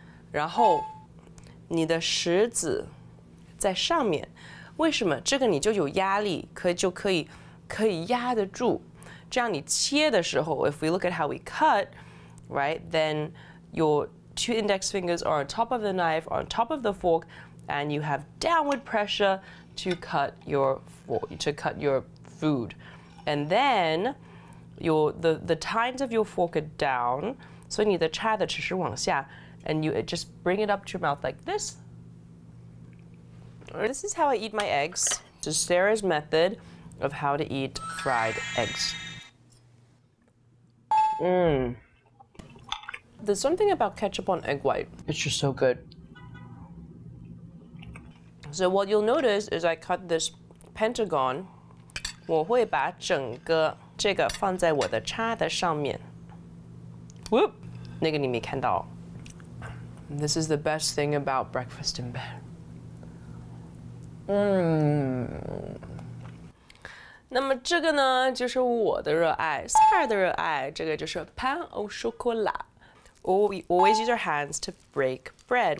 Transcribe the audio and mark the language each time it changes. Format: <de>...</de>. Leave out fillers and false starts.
<zh>然后，你的食指在上面，为什么？这个你就有压力，可以压得住。这样你切的时候</zh> <en>，if we look at how we cut, right? Then your two index fingers are on top of the knife, on top of the fork, and you have downward pressure to cut your food. And then the tines of your fork are down, so</en> <zh>你的叉子其实往下。</zh> <en>And you just bring it up to your mouth like this. This is how I eat my eggs. This is Sarah's method of how to eat fried eggs. Mmm. There's something about ketchup on egg white. It's just so good. So what you'll notice is I cut this pentagon.</en> <zh>我会把整个这个放在我的叉子上面。 Whoop! 那个你没看到。</zh> <en>This is the best thing about breakfast in bed.</en> <zh>Mmm. 那么这个呢，就是我的热爱 ，Sara 的热爱。这个就是 pain au chocolat.</zh> <en>We always use our hands to break bread.</en>